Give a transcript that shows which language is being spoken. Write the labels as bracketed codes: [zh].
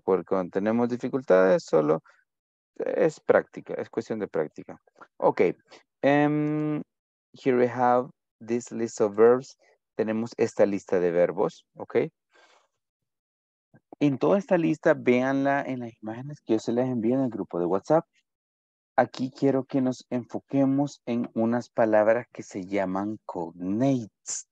[es] Porque cuando tenemos dificultades, solo es práctica, es cuestión de práctica. [en] Ok, here we have this list of verbs. [es] Tenemos esta lista de verbos, ¿ok? En toda esta lista, véanla en las imágenes que yo se les envío en el grupo de WhatsApp. Aquí quiero que nos enfoquemos en unas palabras que se llaman cognates.